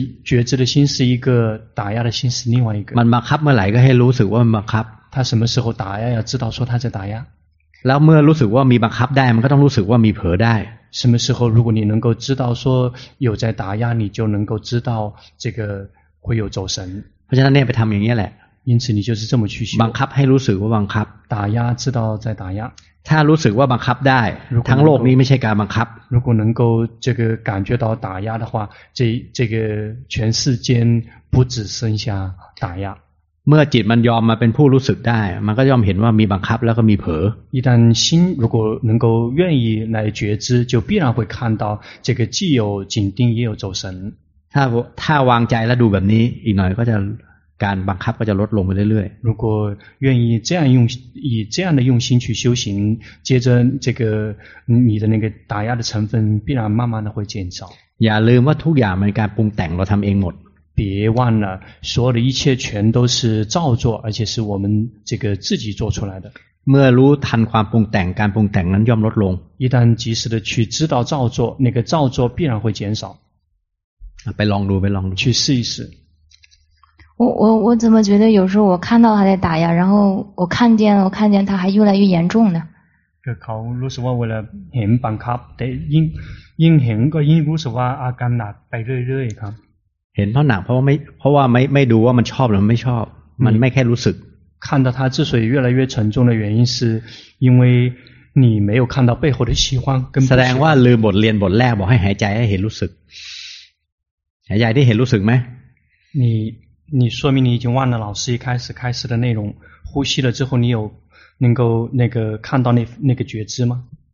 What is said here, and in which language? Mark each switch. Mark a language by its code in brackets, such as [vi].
[zh] 觉知的心是一个打压的心是另外一个 [th] มันบังคับเมื่อไหร่ก็ให้รู้สึกว่ามันบังคับ [zh] 他什么时候打压要知道说他在打压 [th] แล้วเมื่อรู้สึกว่ามีบังคับได้มันก็ต้องรู้สึกว่ามีเผลอได้ [zh] 什么时候如果你能够知道说有在打压你就能够知道这个会有走神 [th] เพราะฉะนั้นเนี่ยไปทำอย่างนี้แหละ [zh] 因此你就是这么去修 [th] บังคับให้รู้สึกว่าบังคับ [zh] 打压知道在打压 [th] ถ้ารู้สึกว่าบังคับได้ทั้งโลกนี้ไม่ใช่การบังคับ [zh] 如果能够这个感觉到打压的话这个全世间不只剩下打压 [th] เมื่อจิตมันยอมมาเป็นผู้รู้สึกได้มันก็ยอมเห็นว่ามีบังคับแล้วก็มีเผลอ [zh] 一旦心如果能够愿意来觉知就必然会看到这个既有紧盯也有走神 [th] ถ้าวางใจแล้วดูแบบนี้อีกหน่อยก็จะการบังคับก็จะลดลงไปเรื่อย [zh] ๆ如果愿意这样用以这样的用心去修行接着这个你的那个打压的成分必然慢慢的会减少 [th] อย่าลืมว่าทุกอย่างมันการปรุงแต่งเราทำเองหมด [zh] 别忘了所有的一切全都是造作而且是我们这个自己做出来的 [th] เมื่อรู้ทันความปรุงแต่งการปรุงแต่งนั้นย่อมลดลง [zh] 一旦及时的去知道造作那个造作必然会减少 [th] ไปลองดู [zh] 去试一试我怎么觉得有时候我看到他在打压然后我看见他还越来越严重呢 [th] เขารู้สึกว่าเวลาเห็นบังคับแต่ยิ่งเห็นก็ยิ่งรู้สึกว่าอาการหนักไปเรื่อยๆครับ เห็นเพราะหนักเพราะว่าไม่ดูว่ามันชอบหรือไม่ชอบมันไม่แค่รู้สึก [zh] 看到他之所以越来越沉重的原因是因为你没有看到背后的喜欢跟 [th] แสดงว่าลืมบทเรียนบทแรกบอกให้หายใจให้เห็นรู้สึกหายใจที่เห็นรู้สึกไหม [zh] 你说明你已经忘了老师一开始的内容呼吸了之后你有能够那个看到那个觉知吗